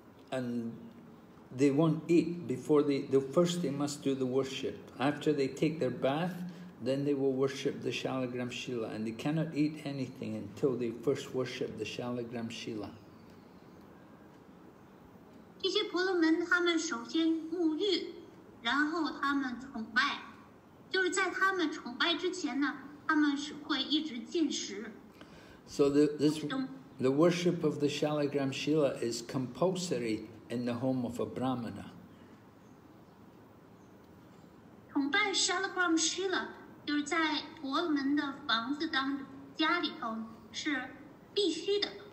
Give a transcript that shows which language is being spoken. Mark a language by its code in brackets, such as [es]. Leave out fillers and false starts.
[en] And they won't eat before first they must do the worship. After they take their bath, then they will worship the Shalagram Shila, and they cannot eat anything until they first worship the Shalagram Shila. These [zh] 婆罗门他们首先沐浴，然后他们崇拜，就是在他们崇拜之前呢，他们是会一直进食。 [en] So the worship of the Shalagram Shila is compulsory in the home of a Brahmana. [zh] 崇拜 Shalagram Shila 就是在婆罗门的房子当中，家里头是必须的。